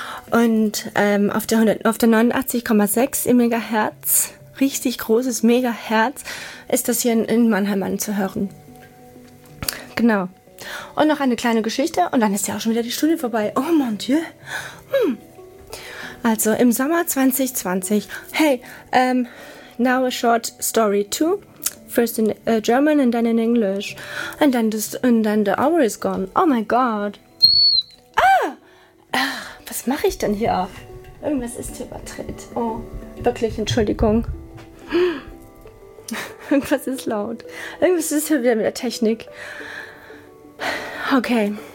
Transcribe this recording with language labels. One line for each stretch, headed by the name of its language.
German: Und auf der 89,6 im Megahertz, richtig großes Megahertz, ist das hier in Mannheim anzuhören. Genau. Und noch eine kleine Geschichte und dann ist ja auch schon wieder die Stunde vorbei.
French: Oh mon Dieu.
German: Also im Sommer 2020.
English: Hey, now a short story too. First in German and then in English. And then the hour is gone. Oh my God.
German: Was mache ich denn hier? Irgendwas ist hier überdreht. Oh, wirklich, Entschuldigung. Irgendwas ist laut. Irgendwas ist hier wieder mit der Technik. Okay.